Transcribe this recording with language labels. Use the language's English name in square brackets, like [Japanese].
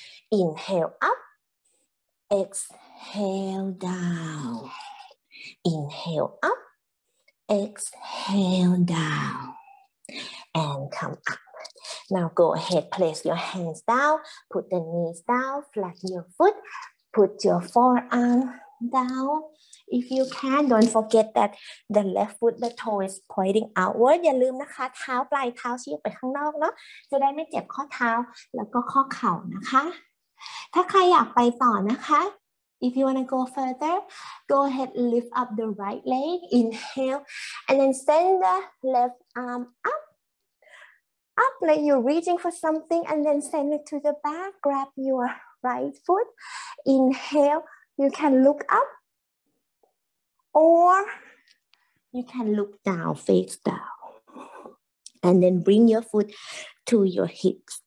[English] Inhale up, exhale down. Inhale up, exhale down. And come up. Now go ahead, place your hands down, put the knees down, flatten your foot, put your forearm down. If you can, don't forget that the left foot, the toe is pointing outward. [Thai] อย่าลืมนะคะเท้าปลายเท้าชี้ไปข้างนอกเนาะจะได้ไม่เจ็บข้อเท้าแล้วก็ข้อเข่านะคะถ้าใครอยากไปต่อนะคะ [English] If you want to go further, go ahead, lift up the right leg, inhale, and then send the left arm up. Up like you're reaching for something and then send it to the back. Grab your right foot. Inhale. You can look up or you can look down, face down. And then bring your foot to your hips.